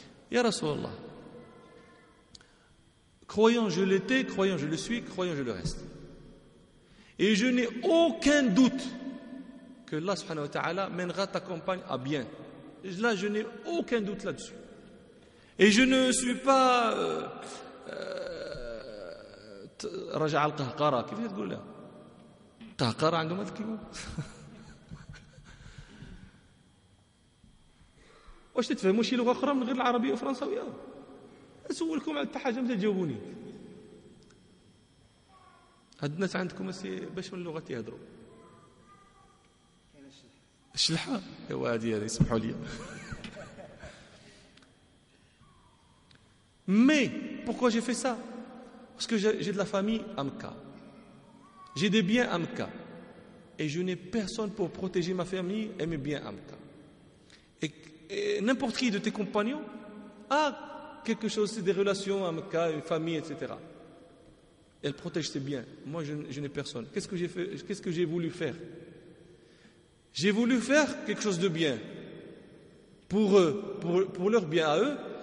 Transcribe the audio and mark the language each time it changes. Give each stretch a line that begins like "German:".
French: Ya Rasulallah, croyant je l'étais, croyant je le suis, croyant je le reste. Et je n'ai aucun doute que Allah subhanahu wa ta'ala mènera ta campagne à bien. Là, je n'ai aucun doute là-dessus. Et je ne suis pas...
Arabic: رجع القهقرة كيف تقولها قهقرة عندهم هذا الكلمة واش تتفهموا شي لغة أخرى من غير العربية والفرنسية؟ أسولكم على حاجة ما تجاوبوني هاد الناس عندكم باش من اللغة تهدروا الشلحة هو هذه يسمحوا لي
French: مي بوكو جي في سا parce que j'ai de la famille à Mecca, j'ai des biens à Mecca, et je n'ai personne pour protéger ma famille et mes biens à Mecca. Et n'importe qui de tes compagnons a quelque chose, c'est des relations à Mecca, une famille, etc. Elle protège ses biens. Moi, je n'ai personne. Qu'est-ce que j'ai voulu faire? J'ai voulu faire quelque chose de bien pour eux, pour leur bien à eux.